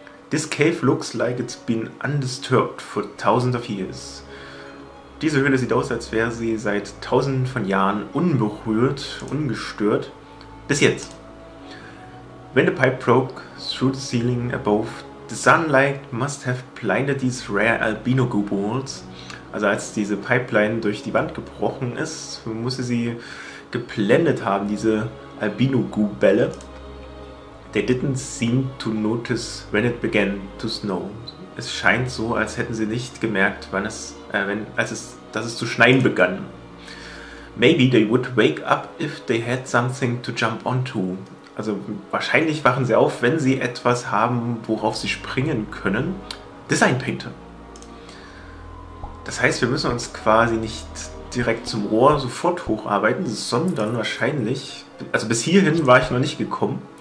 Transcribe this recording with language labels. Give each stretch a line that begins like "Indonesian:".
English: This cave looks like it's been undisturbed for thousands of years.
German: Diese Höhle sieht aus, als wäre sie seit tausenden von Jahren unberührt, ungestört. Bis jetzt.
English: When the pipe broke through the ceiling above, the sunlight must have blinded these rare albino goo balls.
German: Also als diese Pipeline durch die Wand gebrochen ist, muss sie geblendet haben, diese albino goo Bälle.
English: They didn't seem to notice when it began to snow.
German: Es scheint so, als hätten sie nicht gemerkt, wann es, dass es zu schneien begann.
English: Maybe they would wake up if they had something to jump onto.
German: Also wahrscheinlich wachen sie auf, wenn sie etwas haben, worauf sie springen können. Design Painter. Das heißt, wir müssen uns quasi nicht direkt zum Rohr sofort hocharbeiten, sondern wahrscheinlich, also bis hierhin war ich noch nicht gekommen.